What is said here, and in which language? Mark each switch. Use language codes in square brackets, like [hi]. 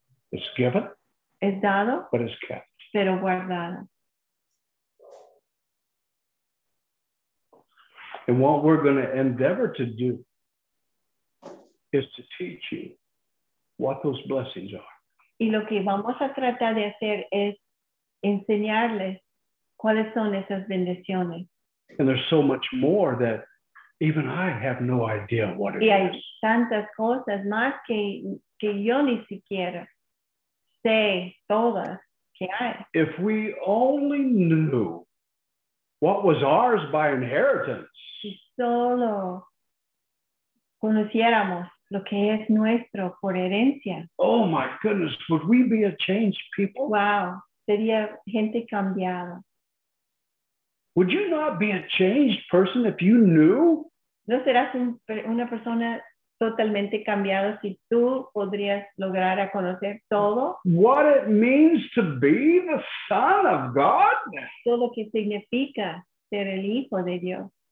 [en] It's given. [es] Es dado. [en] But it's kept. [es] Pero guardado. [en] And what we're going to endeavor to do is to teach you what those blessings are. [es] Y lo que vamos a tratar de hacer es enseñarles cuáles son esas bendiciones. [en] And there's so much more that even I have no idea what it is. [es] Y hay tantas cosas más que yo ni siquiera sé todas que hay. [en] If we only knew what was ours by inheritance. [es] Si solo conociéramos lo que es nuestro por herencia. [en] Oh my goodness, would we be a changed people? [es] Wow, sería gente cambiada. [en] Would you not be a changed person if you knew? [es] ¿No serás una persona totalmente cambiada si tú podrías lograr a conocer todo? [en] What it means to be the son of God? [es] Todo lo que significa ser el hijo de Dios.